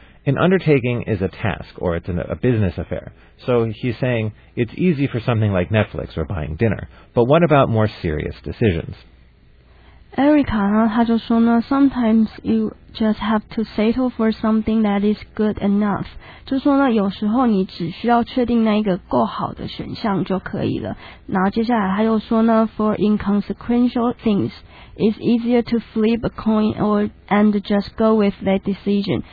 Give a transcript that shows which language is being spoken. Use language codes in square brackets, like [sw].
[en] An undertaking is a task or it's a business affair. So he's saying it's easy for something like Netflix or buying dinner. But what about more serious decisions? [zh] Erica 呢，他就说呢 [en] ，Sometimes you just have to settle for something that is good enough。 [zh] 就说呢，有时候你只需要确定那一个够好的选项就可以了。然后接下来他又说呢 [en] ，For inconsequential things, it's easier to flip a coin and just go with that decision。